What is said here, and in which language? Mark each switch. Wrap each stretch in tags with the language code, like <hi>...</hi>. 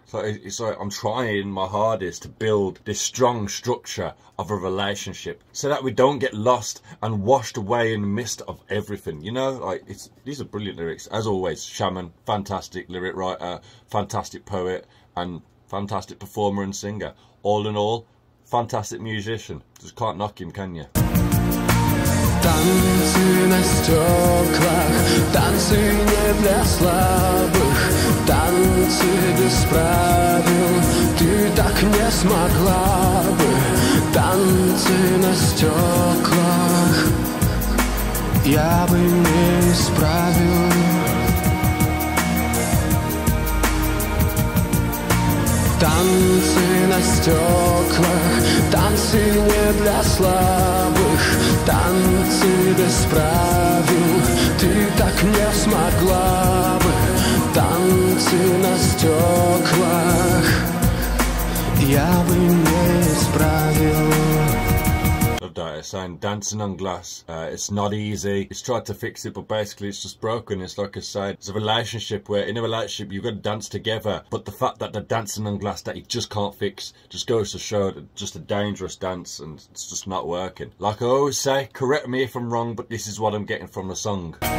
<en>So it's like I'm trying my hardest to build this strong structure of a relationship so that we don't get lost and washed away in the midst of everything. You know, like, these are brilliant lyrics. As always, Shaman, fantastic lyric writer, fantastic poet, and fantastic performer and singer. All in all, fantastic musician. Just can't knock him, can you?</en> <ru>Танцы на стеклах, танцы не для слабых, танцы без правил, ты так не смогла бы. Танцы на стеклах, я бы не исправил. Танцы на стеклах, танцы не для слабых, танцы без правил, ты так не смогла бы. Танцы на стеклах, я бы не исправил.</ru> <en>Okay. saying dancing on glass, it's not easy. He's tried to fix it, but basically it's just broken. It's like I said, it's a relationship where in a relationship you've got to dance together. But the fact that they're dancing on glass that he just can't fix just goes to show that it's just a dangerous dance and it's just not working. Like I always say, correct me if I'm wrong, but this is what I'm getting from the song.</en>